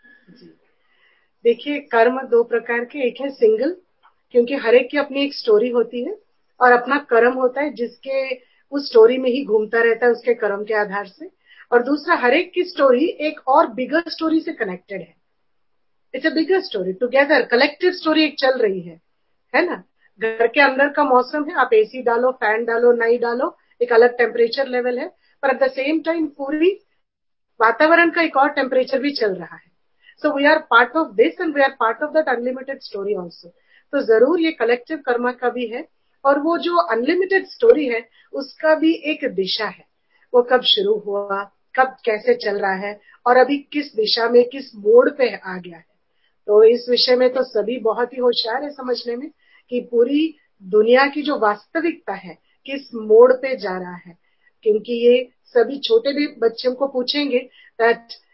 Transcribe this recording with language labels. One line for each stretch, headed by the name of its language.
Hindi: देखिए, कर्म दो प्रकार के, एक है सिंगल, क्योंकि हर एक की अपनी एक स्टोरी होती है और अपना कर्म होता है जिसके उस स्टोरी में ही घूमता रहता है उसके कर्म के आधार से, और दूसरा हर एक की स्टोरी एक और बिगर स्टोरी से कनेक्टेड है,
English: it's a bigger story together,
Hindi: collective story एक चल रही है ना। घर के अंदर का मौसम है, आप एसी डालो, फैन डालो, नहीं डालो, एक अलग टेम्परेचर लेवल है, पर
English: at the same time
Hindi: पूरी वातावरण का एक और टेम्परेचर भी चल रहा है।
English: So we are part of this and we are part of that unlimited story also.
Hindi: तो जरूर ये collective karma का भी है, और वो जो unlimited story है उसका भी एक दिशा है, वो कब शुरू हुआ, कब कैसे चल रहा है, और अभी किस दिशा में, किस मोड पे आ गया है। तो इस विषय में तो सभी बहुत ही होशियार है समझने में कि पूरी दुनिया की जो वास्तविकता है किस मोड पे जा रहा है, क्योंकि ये सभी छोटे भी बच्चों को पूछेंगे दैट